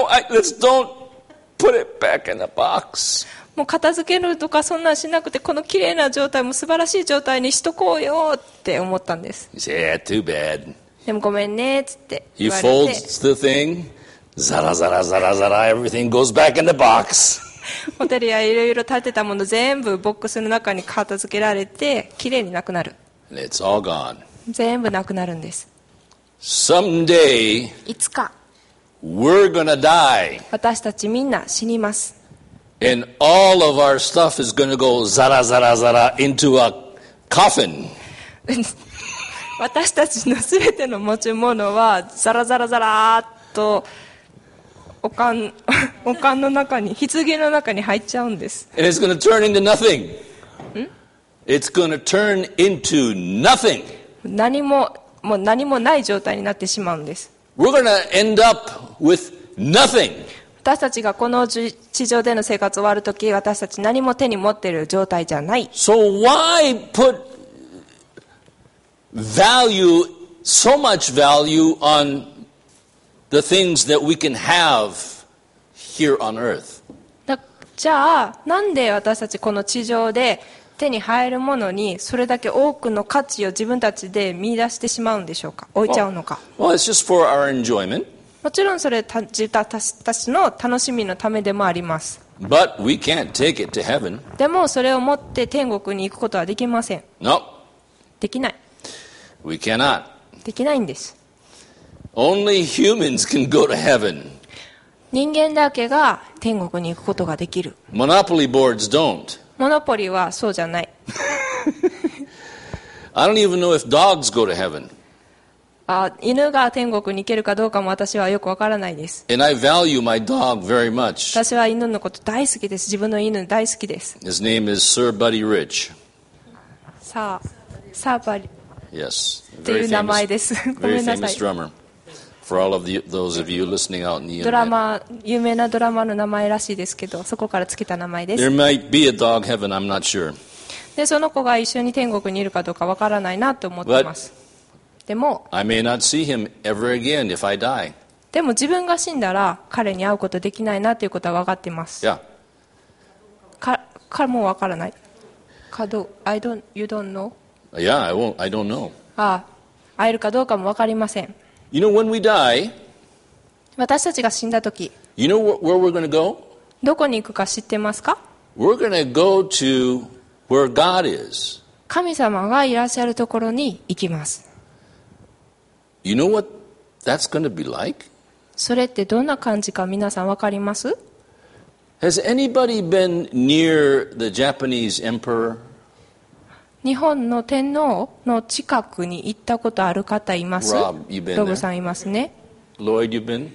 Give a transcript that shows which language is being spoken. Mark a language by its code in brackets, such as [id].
[en] Let's don't put it back in the box. [ja] もう片付けるとかそんなんしなくてこの綺麗な状態も素晴らしい状態にしとこうよって思ったんです。 [en] He said, yeah, too bad. [ja] でもごめんねっつって言われて。 [en] He folds the thing. [ja] ザラザラザラザラ [en] everything goes back in the box. [ja] ホテルやいろいろ建てたもの全部ボックスの中に片付けられて綺麗になくなる。 [en] It's all gone. [ja] 全部なくなるんです。 [en] Someday. [ja] いつか。 [en] We're gonna die. [ja] 私たちみんな死にます。 [en] And all of our stuff is going to go zara zara zara into a coffin. [ja] 私たちのすべての持ち物はザラザラザラーっとおかんの中に棺の中に入っちゃうんです。 [en] And it's going to turn into nothing. It's going to turn into nothing. [ja] 何もない状態になってしまうんです。 [en] We're going to end up with nothing. [ja] 私たちがこの地上での生活を終わるとき、私たち何も手に持っている状態じゃない。 [en] So why put value, so much value on the things that we can have here on earth? [ja] じゃあなんで私たちこの地上で手に入るものにそれだけ多くの価値を自分たちで見出してしまうんでしょうか？置いちゃうのか [en] ？Well, it's just for our enjoyment. [ja] もちろんそれは私の楽しみのためでもあります。 [en] But we can't take it to heaven. [ja] でもそれを持って天国に行くことはできません。 [en] No. [ja] できない。 [en] We cannot. [ja] できないんです。 [en] Only humans can go to heaven. [ja] 人間だけが天国に行くことができる。 [en] Monopoly boards don't. [ja] モノポリはそうじゃない。 [en] I don't even know if dogs go to heaven. [ja] 犬が天国に行けるかどうかも私はよくわからないです。 [en] And I value my dog very much. [ja] 私は犬のこと大好きです。自分の犬大好きです。 [en] His name is Sir Buddy Rich. Sir Buddy. Yes. [ja] という名前です。ごめんなさい。 [en] Very famous drummer. For all of those of you listening out in the internet. [ja] ドラマ、有名なドラマの名前らしいですけど、そこからつけた名前です。 [en] There might be a dog heaven, I'm not sure. [ja] で、その子が一緒に天国にいるかどうかわからないなと思っています。でも、 [en] I may not see him ever again if I die. [ja] でも自分が死んだら彼に会うことできないなということは分かっています。 [en] Yeah. [ja] かもう分からない。かどう、 [en] I don't, you don't know? Yeah, I won't, I don't know. [ja] ああ、会えるかどうかも分かりません。 [en] You know, when we die, [ja] 私たちが死んだとき、 [en] you know where we're gonna go? [ja] どこに行くか知ってますか? [en] We're gonna go to where God is. [ja] 神様がいらっしゃるところに行きます。 [en] You know what that's going to be like? [ja] それってどんな感じか皆さん分かります? [en] Has anybody been near the Japanese emperor? [ja] 日本の天皇の近くに行ったことある方います? [en] Rob, you've been there? [ja] ロブさんいますね。 [en] Lloyd, you've been?